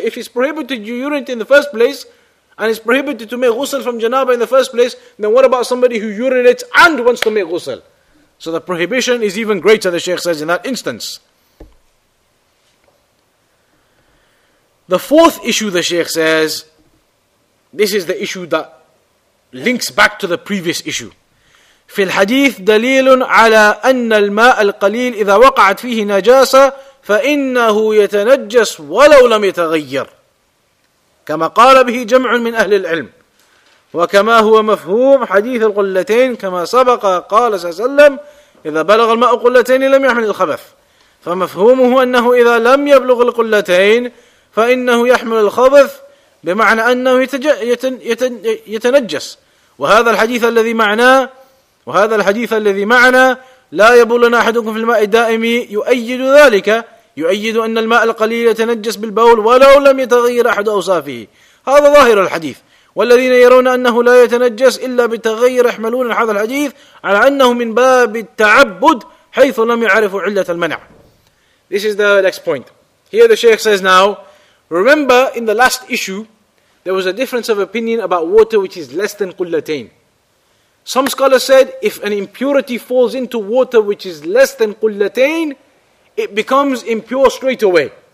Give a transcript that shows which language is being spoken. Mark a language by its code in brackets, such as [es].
[en] If it's prohibited you urinate in the first place and it's prohibited to make ghusl from janaba in the first place, then what about somebody who urinates and wants to make ghusl? So the prohibition is even greater, the Sheikh says, in that instance. The fourth issue, the Sheikh says, this is the issue that links back to the previous issue. [ar] في الحديث دليل على أن الماء القليل إذا وقعت فيه نجاسة فإنه يتنجس ولو لم يتغير كما قال به جمع من أهل العلم وكما هو مفهوم حديث القلتين كما سبق قال صلى الله عليه وسلم إذا بلغ الماء قلتين لم يحمل الخبث فمفهومه أنه إذا لم يبلغ القلتين فإنه يحمل الخبث بمعنى أنه يتنجس وهذا الحديث الذي معناه وهذا الحديث الذي معنا لا يبولنا أحدكم في الماء الدائم يؤيد ذلك يؤيد أن الماء القليل يتنجس بالبول ولو لم يتغير أحد أوصافه هذا ظاهر الحديث والذين يرون أنه لا يتنجس إلا بتغير يحملون هذا الحديث على أنه من باب التعبد حيث لم يعرفوا علة المنع. [en] This is the next point. Here the Sheikh says now, remember in the last issue, there was a difference of opinion about water which is less than qullatain. Some scholars said, if an impurity falls into water which is less than qullatain, it becomes impure straight away.